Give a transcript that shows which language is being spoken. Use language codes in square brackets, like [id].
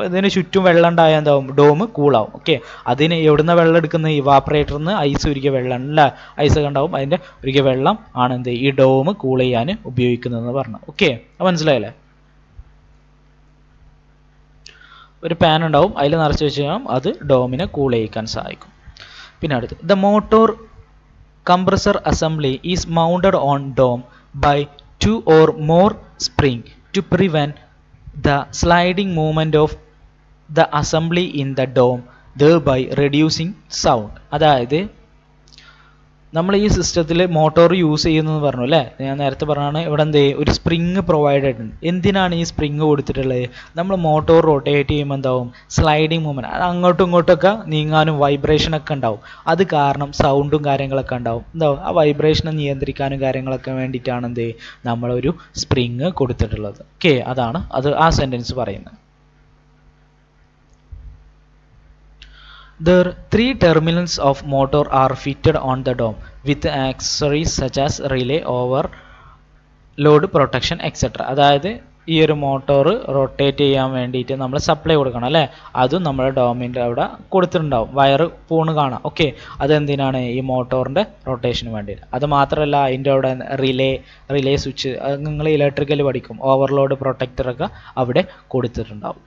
[ml] ഇതിന് ചുറ്റും വെള്ളം ഉണ്ടായാൽ എന്താവും, ഡോം കൂളാവും. ഓക്കെ, അതിന് എവിടുന്ന വെള്ളം എടുക്കുന്നത്, ഇവാപ്പറേറ്ററിൽ നിന്ന് ഐസ് ഉരുകിയ വെള്ളം അല്ലേ, ഐസ് ഒക്കെ ഉണ്ടാവും, അതിൻ്റെ ഉരുകിയ വെള്ളം ആണ് എന്ത് ഈ ഡോം കൂൾ ചെയ്യാൻ ഉപയോഗിക്കുന്നതെന്ന് പറഞ്ഞു. ഓക്കെ, മനസ്സിലായല്ലേ. ഒരു പാൻ ഉണ്ടാവും, അതിൽ നിറച്ച് വെച്ചാൽ അത് ഡോമിനെ കൂൾ ചെയ്യിക്കാൻ സഹായിക്കും. [en] പിന്നെ അടുത്ത്, the motor compressor assembly is mounted on dome by two or more spring to prevent the sliding movement of the assembly in the dome, thereby reducing sound. [ml] അതായത് നമ്മൾ ഈ സിസ്റ്റത്തിൽ മോട്ടോർ യൂസ് ചെയ്യുന്നതെന്ന് പറഞ്ഞു അല്ലേ. ഞാൻ നേരത്തെ പറഞ്ഞാണ് ഇവിടെ എന്ത് ഒരു സ്പ്രിങ് പ്രൊവൈഡഡ് ഉണ്ട്. എന്തിനാണ് ഈ സ്പ്രിങ് കൊടുത്തിട്ടുള്ളത്? നമ്മൾ മോട്ടോർ റൊട്ടേറ്റ് ചെയ്യുമ്പോൾ എന്താവും, സ്ലൈഡിങ് മൂവ്മെൻറ്റ്, അത് അങ്ങോട്ടും ഇങ്ങോട്ടൊക്കെ നീങ്ങാനും വൈബ്രേഷനൊക്കെ ഉണ്ടാവും. അത് കാരണം സൗണ്ടും കാര്യങ്ങളൊക്കെ ഉണ്ടാവും. എന്താവും, ആ വൈബ്രേഷനെ നിയന്ത്രിക്കാനും കാര്യങ്ങളൊക്കെ വേണ്ടിയിട്ടാണ് എന്ത് നമ്മളൊരു സ്പ്രിങ് കൊടുത്തിട്ടുള്ളത്. ഓക്കെ, അതാണ് അത് ആ സെൻറ്റൻസ് പറയുന്നത്. [en] There are three terminals of motor are fitted on the dome with accessories such as relay, over load protection, etc. [ml] അതായത് ഈ ഒരു മോട്ടോർ റൊട്ടേറ്റ് ചെയ്യാൻ വേണ്ടിയിട്ട് നമ്മൾ സപ്ലൈ കൊടുക്കണം അല്ലേ. അതും നമ്മുടെ ഡോമിൻ്റെ അവിടെ കൊടുത്തിട്ടുണ്ടാവും, വയറ് പൂണ് കാണാം. ഓക്കെ, അതെന്തിനാണ്? ഈ മോട്ടോറിൻ്റെ റൊട്ടേഷന് വേണ്ടിയിട്ട്. അത് മാത്രമല്ല, അതിൻ്റെ അവിടെ റിലേ സ്വിച്ച്, നിങ്ങൾ ഇലക്ട്രിക്കലി പഠിക്കും, ഓവർലോഡ് പ്രൊട്ടക്ടറൊക്കെ അവിടെ കൊടുത്തിട്ടുണ്ടാവും.